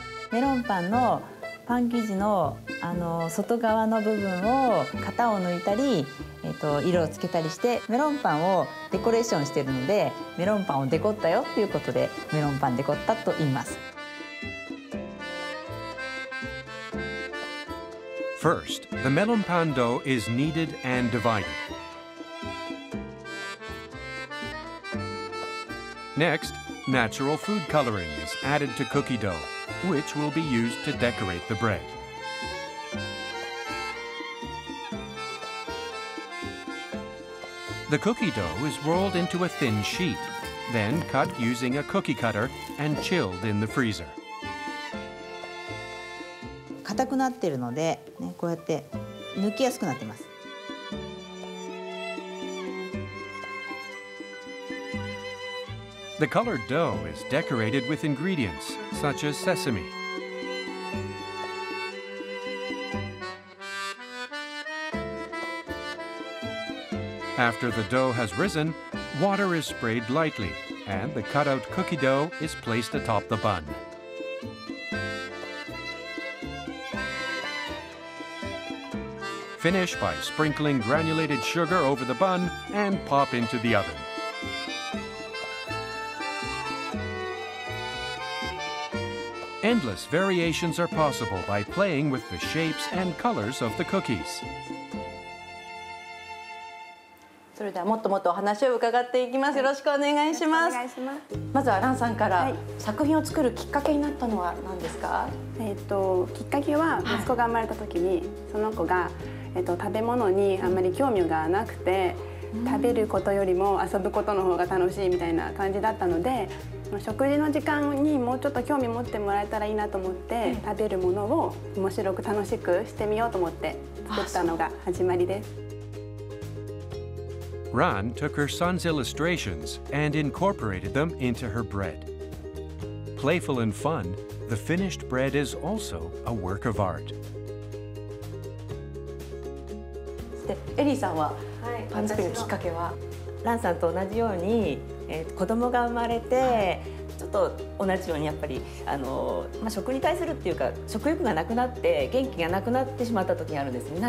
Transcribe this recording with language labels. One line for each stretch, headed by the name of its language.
Japanese: メロンパンのパン生地の、あの、外側の部分を型を抜いたり、色をつけたりしてメロンパンをデコレーションしているので、メロンパンをデコったよっていうことでメロンパンデコったと言います。
English: First, the melon pan dough is kneaded and divided. Next, natural food coloring is added to cookie dough, which will be used to decorate the bread. The cookie dough is rolled into a thin sheet, then cut using a cookie cutter and chilled in the freezer.
Japanese: 固くなっているので、ね、こうやって抜きやすくなっています。
English: The colored dough is decorated with ingredients such as sesame. After the dough has risen, water is sprayed lightly and the cut-out cookie dough is placed atop the bun. Finish by sprinkling granulated sugar over the bun and pop into the oven. Endless variations are possible by playing with the shapes and colors of the cookies.
Japanese: それではもっともっとお話を伺っていきます。よろしくお願いします。まずはランさんから、はい、作品を作るきっかけになったのは何ですか？きっかけは息子が生まれた時に、はい、その子が、食べ物にあんまり興味がなくて、うん、食べることよりも遊ぶことの方が楽しいみたいな感じだったので、食事の時間にもうちょっと興味持ってもらえたらいいなと思って、はい、食べるものを面白く楽しくしてみようと思って作ったのが始まりです。
English: Ran took her son's illustrations and incorporated them into her bread. Playful and fun, the finished bread is also a work of art.
Japanese: で、エリーさんはパン作りのきっかけは、ランさんと同じように、子供が生まれて、はい、ちょっと同じようにやっぱり食に対するっていうか食欲がなくなって元気がなくなってしまった時にあるんですね。